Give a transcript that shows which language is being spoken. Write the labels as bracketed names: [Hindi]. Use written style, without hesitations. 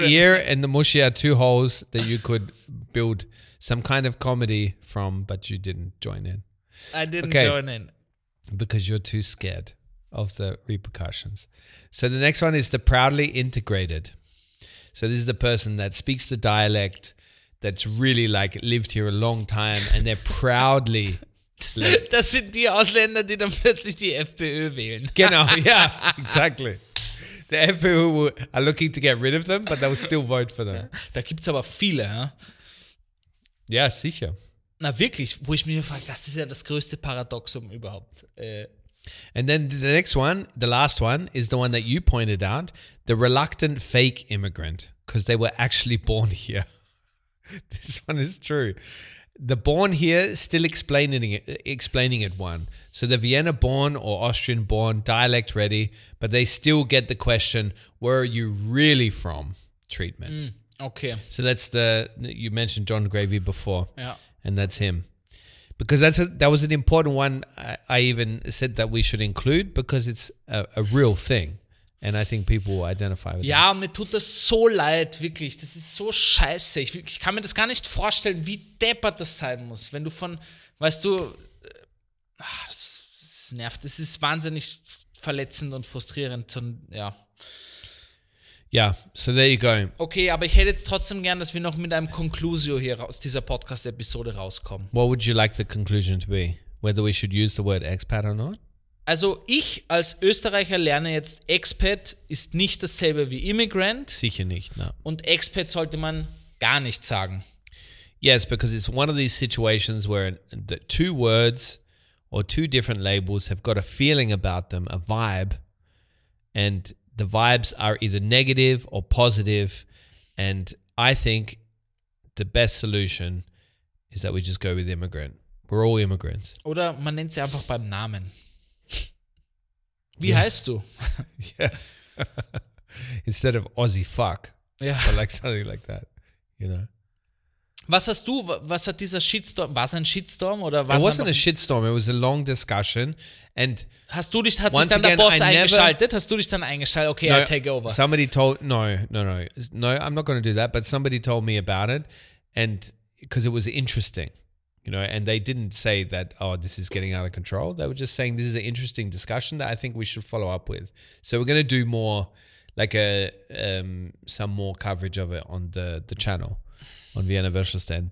[English] The ear and the mushy are two holes that you could build some kind of comedy from, but you didn't join in. I didn't join in. Because you're too scared of the repercussions. So the next one is the proudly integrated. So this is the person that speaks the dialect, that's really like lived here a long time and they're proudly. [German] Das sind die Ausländer, die dann plötzlich die FPÖ wählen. Genau, [English] yeah, exactly. The FPÖ are looking to get rid of them, but they will still vote for them. [German] Da gibt's aber viele, ja. Ja, sicher. Na wirklich, wo ich mir frage, das ist ja das größte Paradoxum überhaupt. [English] And then the next one, the last one, is the one that you pointed out, the reluctant fake immigrant, because they were actually born here. This one is true. The born here, still explaining it one. So the Vienna born or Austrian born, dialect ready, but they still get the question, where are you really from treatment. Mm, okay. So that's the, you mentioned John Gravy before. Yeah. And that's him. Because that was an important one. I even said that we should include because it's a real thing. And I think people will identify with it. [German] Ja, mir tut das so leid, wirklich. Das ist so scheiße. Ich kann mir das gar nicht vorstellen, wie deppert das sein muss. Wenn du von, weißt du, das nervt. Das ist wahnsinnig verletzend und frustrierend. Und, ja. Ja, [English] so there you go. [German] Okay, aber ich hätte jetzt trotzdem gern, dass wir noch mit einem Conclusio hier aus dieser Podcast-Episode rauskommen. [English] What would you like the conclusion to be? Whether we should use the word expat or not? [German] Also ich als Österreicher lerne jetzt, Expat ist nicht dasselbe wie Immigrant. Sicher nicht, ne. Und Expat sollte man gar nicht sagen. [English] Yes, because it's one of these situations where the two words or two different labels have got a feeling about them, a vibe, and the vibes are either negative or positive. And I think the best solution is that we just go with immigrant. We're all immigrants. [German] Oder man nennt sie einfach beim Namen. Wie heißt du? [English] Yeah. Instead of Aussie fuck. Yeah. Or like something like that, you know. [German] Was hast du, was hat dieser Shitstorm, war es ein Shitstorm oder war [English] it wasn't a shitstorm, it was a long discussion and [German] hast du dich, hat sich dann [English] again, [German] der Boss I eingeschaltet? [English] Never, [German] hast du dich dann eingeschaltet? [English] Okay, no, I'll take over. Somebody told, no, I'm not going to do that, but somebody told me about it and, because it was interesting. You know, and they didn't say that, oh, this is getting out of control. They were just saying this is an interesting discussion that I think we should follow up with. So we're going to do more, like some more coverage of it on the channel, on Vienna versus Dan.